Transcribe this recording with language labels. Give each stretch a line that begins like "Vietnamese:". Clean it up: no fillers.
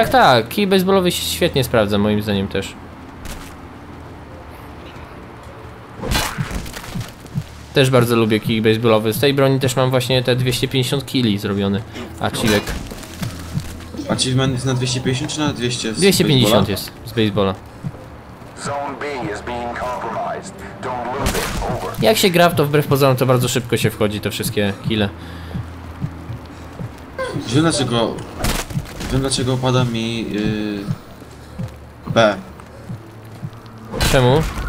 Polish: Tak, kij baseballowy się świetnie sprawdza moim zdaniem też. Też bardzo lubię kij baseballowy. Z tej broni też mam właśnie te 250 kili zrobiony. Achievek. Achievement jest na 250 czy na 200? Z 250 baseballa? Jest z baseballa.
English: Zone B is being compromised. Don't lose it. Over.
Polish: Jak się gra, to wbrew pozorom to bardzo szybko się wchodzi te wszystkie kile. Wiem dlaczego pada mi B. Czemu?